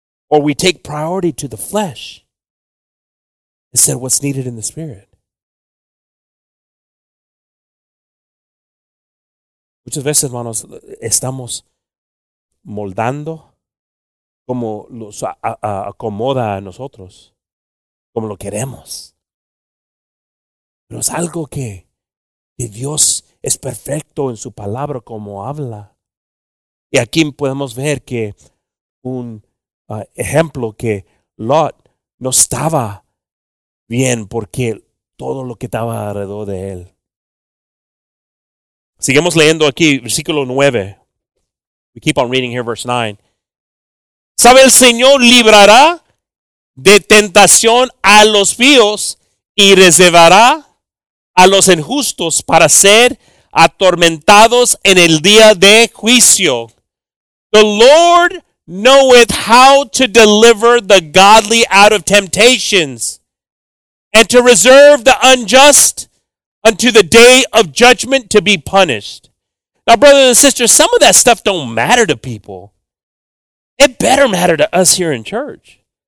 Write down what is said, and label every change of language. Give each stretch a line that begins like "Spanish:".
English: Or we take priority to the flesh instead of what's needed in the spirit.
Spanish: Muchas veces, hermanos, estamos moldando como los acomoda a nosotros, como lo queremos. Pero es algo que Dios es perfecto en su palabra, como habla. Y aquí podemos ver que un ejemplo que Lot no estaba bien porque todo lo que estaba alrededor de él. Sigamos leyendo aquí, versículo 9.
English: We keep on reading here, verse 9.
Spanish: ¿Sabe el Señor librará de tentación a los píos y reservará a los injustos para ser atormentados en el día de juicio?
English: The Lord knoweth how to deliver the godly out of temptations and to reserve the unjust unto the day of judgment to be punished. Now, brothers and sisters, some of that stuff don't matter to people. It better matter to us here in church.